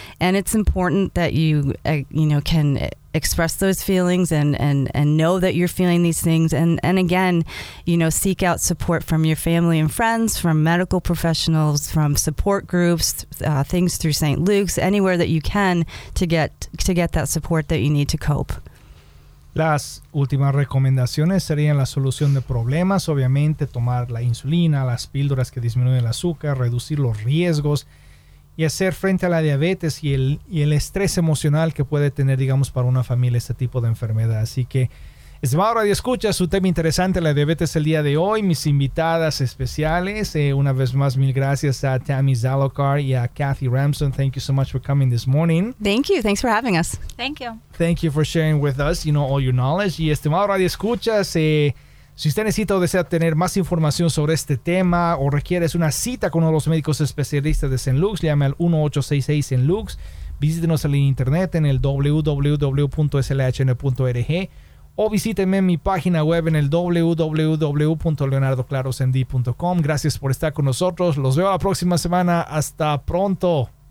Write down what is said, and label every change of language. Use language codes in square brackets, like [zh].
[en] And it's important that you, you know, can express those feelings and know that you're feeling these things. And again, you know, seek out support from your family and friends, from medical professionals, from support groups, things through St. Luke's, anywhere that you can to get that support that you need to cope. [es] Las últimas recomendaciones serían la solución de problemas, obviamente tomar la insulina, las píldoras que disminuyen el azúcar, reducir los riesgos y hacer frente a la diabetes y el estrés emocional que puede tener, digamos, para una familia este tipo de enfermedad. Así que, estimado Radio Escucha, su tema interesante, la diabetes el día de hoy, mis invitadas especiales, una vez más, mil gracias a Tammy Zalokar y a Kathy Ramson. [en] Thank you so much for coming this morning. Thank you. Thanks for having us. Thank you. Thank you for sharing with us, you know, all your knowledge. [es] Y estimado Radio Escucha, si usted necesita o desea tener más información sobre este tema o requieres una cita con uno de los médicos especialistas de St. Luke's, llame al 1-866-SAINT-LUKE. Visítenos en el internet en el www.slhn.org. O visíteme en mi página web en el www.leonardoclarosmd.com. Gracias por estar con nosotros. Los veo la próxima semana. Hasta pronto.